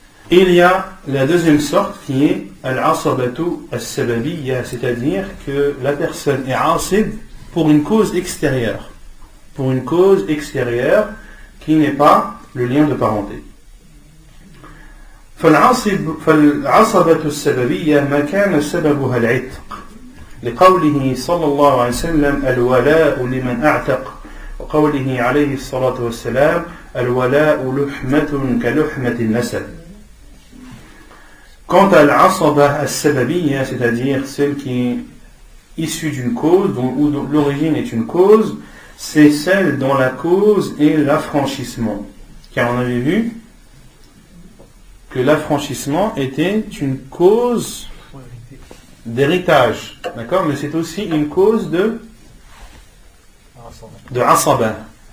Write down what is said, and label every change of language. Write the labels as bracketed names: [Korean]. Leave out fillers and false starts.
[French] Il y a la deuxième sorte qui est al-asabatu al-sababiyya, c'est-à-dire que la personne est ansib pour une cause extérieure. Pour une cause extérieure qui n'est pas le lien de parenté. [Arabic] فالعصبة السببية ما كان سببها العتق لقوله صلى الله عليه وسلم الولاء لمن أعتق وقوله عليه الصلاة والسلام الولاء لحمة كلحمة النسب. [French] Quant à العصبة السببية, c'est-à-dire celle qui est issue d'une cause, dont l'origine est une cause, c'est celle dont la cause est l'affranchissement. Car on avait vu que l'affranchissement était une cause d'héritage, d'accord, mais c'est aussi une cause de asaba.